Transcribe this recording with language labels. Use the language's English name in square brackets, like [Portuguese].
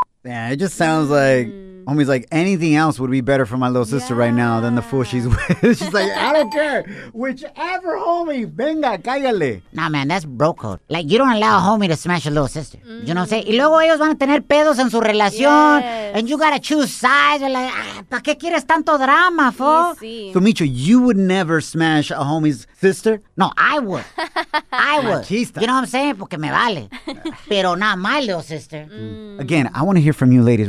[English] Yeah, it just sounds like homie's like, anything else would be better for my little sister right now than the fool she's with. She's like, I don't care. Whichever homie, [Spanish] venga, cállale. [English] Nah, man, that's bro code. Like, you don't allow a homie to smash a little sister. [Spanish] Mm-hmm. [English] You know what I'm saying? [Spanish] Y luego ellos van a tener pedos en su relación. [English] Yes. And you gotta choose sides. You're like, [Spanish] ¿para qué quieres tanto drama, fo? Sí, sí. [English] So, Micho, you would never smash a homie's sister? No, I would. I would. [Spanish] Machista. [English] You know what I'm saying? [Spanish] Porque me vale. Pero [English] not my little sister. Mm. Again, I want to hear from you ladies.